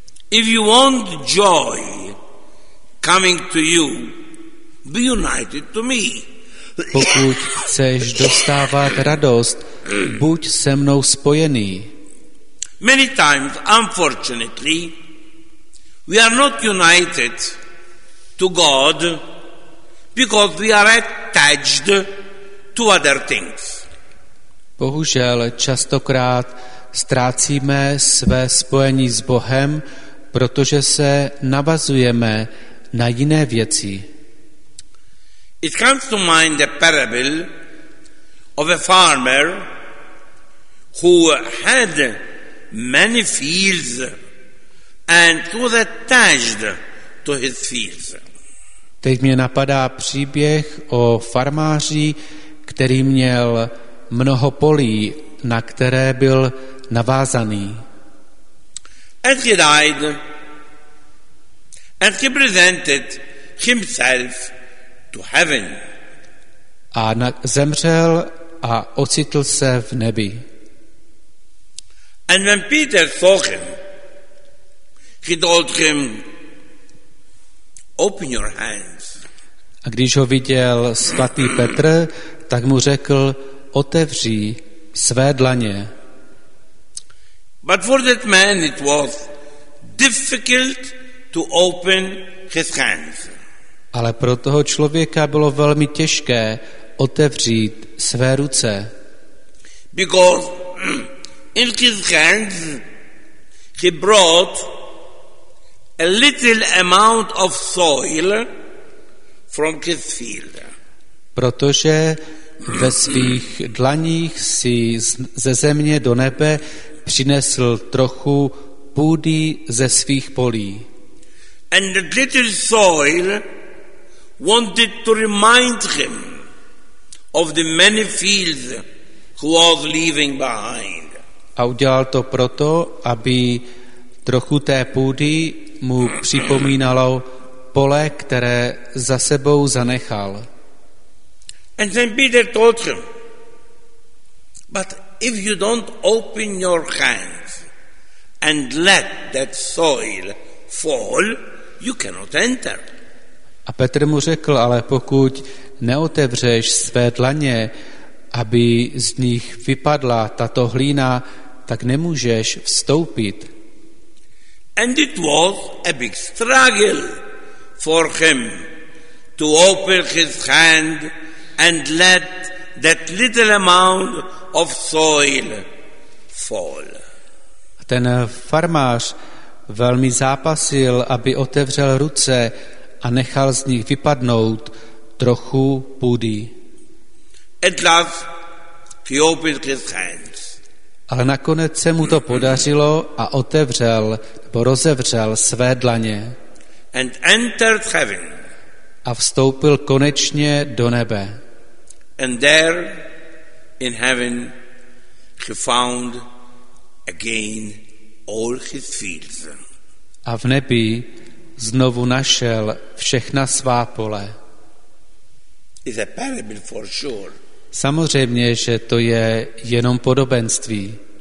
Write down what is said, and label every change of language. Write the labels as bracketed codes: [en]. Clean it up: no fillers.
[en] If you want joy coming to you, be united to me. [cs] Pokud chceš dostávat radost, buď se mnou spojený. [en] Many times, unfortunately, we are not united to God because we are attached to other things. [cs] Bohužel častokrát ztrácíme své spojení s Bohem, protože se navazujeme na jiné věci. [en] It comes to mind a parable of a farmer who had many fields and was attached to his fields. [cs] Teď mě napadá příběh o farmáři, který měl mnoho polí, na které byl navázaný. [en] As he died, as he presented himself to heaven. [cs] A zemřel a ocitl se v nebi. [en] And when Peter saw him, he told him, open your hands. [cs] A když ho viděl svatý Petr, tak mu řekl, otevří své dlaně. [en] But for that man it was difficult to open his hands. [cs] Ale pro toho člověka bylo velmi těžké otevřít své ruce. [en] Because in his hands he brought a little amount of soil from his field. [cs] Protože ve svých dlaních si ze země do nebe přinesl trochu půdy ze svých polí. [en] And the little soil wanted to remind him of the many fields who was leaving behind. [cs] A udělal to proto, aby trochu té půdy mu připomínalo pole, které za sebou zanechal. [en] And then Peter told him, but if you don't open your hands and let that soil fall, you cannot enter. [cs] A Petr mu řekl, ale pokud neotevřeš své dlaně, aby z nich vypadla tato hlína, tak nemůžeš vstoupit. [en] And it was a big struggle for him to open his hand and let that little amount of soil fall. [cs] Ten farmář velmi zápasil, aby otevřel ruce a nechal z nich vypadnout trochu půdy. [en] At last he opened his hands. [cs] Ale nakonec se mu to podařilo a otevřel, nebo rozevřel své dlaně. [en] And entered heaven. [cs] A vstoupil konečně do nebe. [en] And there in heaven he found again all his fields. [cs] A v nebi znovu našel všechna svá pole. [en] It's a parable for sure. [cs] Samozřejmě, že to je jenom podobenství.